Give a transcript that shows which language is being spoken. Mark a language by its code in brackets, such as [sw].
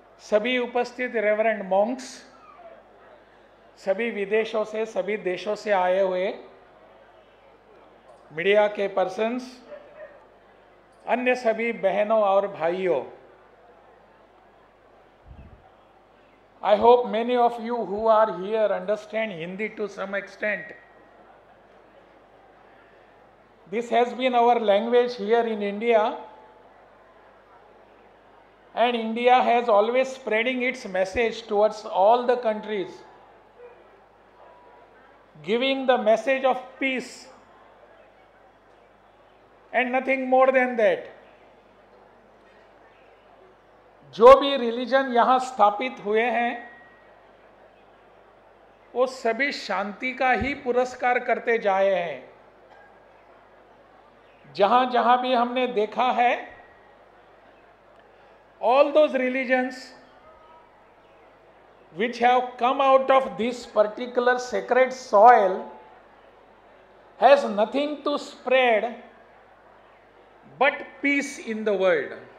[hi] सभी उपस्थित reverend Monks सभी विदेशों से सभी देशों से आए हुए मीडिया के पर्सन्स अन्य सभी बहनों और भाइयों [en] I hope many of you who are here understand Hindi to some extent This has been our language here in India. And India has always spreading its message towards all the countries, giving the message of peace and nothing more than that. [hi] जो भी religion यहां स्थापित हुए हैं वो सभी शांति का ही पुरस्कार करते जाए हैं. जहां जहां भी हमने देखा है [en] all those religions which have come out of this particular sacred soil has nothing to spread but peace in the world.